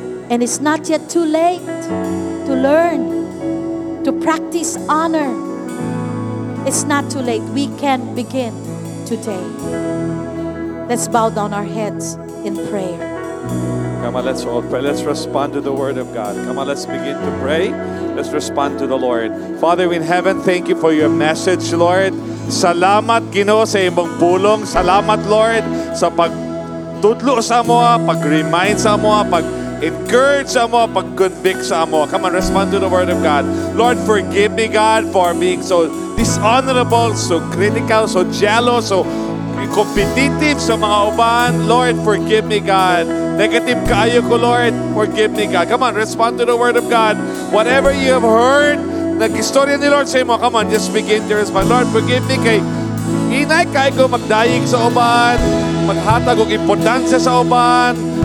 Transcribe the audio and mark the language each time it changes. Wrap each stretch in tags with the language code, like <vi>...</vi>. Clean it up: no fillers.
<en>And it's not yet too late to learn, to practice honor. It's not too late. We can begin today. Let's bow down our heads in prayer. Come on, let's all pray. Let's respond to the word of God. Come on, let's begin to pray. Let's respond to the Lord. Father in heaven, thank you for your message, Lord.</en> <ceb>Salamat, Ginoo, sa imong pulong. Salamat, Lord, sa pagtudlo sa moa, pag-remind sa moa, pag-encourage sa moa, pag-convict sa moa.</ceb> <en>Come on, respond to the word of God. Lord, forgive me, God, for being so dishonorable, so critical, so jealous, so competitive</en> <ceb>sa mga uban.</ceb> <en>Lord, forgive me, God.</en> <ceb>Negative kaayo ko,</ceb> <en>Lord. Forgive me, God. Come on, respond to the word of God. Whatever you have heard,</en> <ceb>nag-istorya ni Lord sa imo,</ceb> <en>come on, just begin to respond. Lord, forgive me</en> <ceb>kay inay kay ko magdayig sa uban, maghatag og importansya sa uban.</ceb>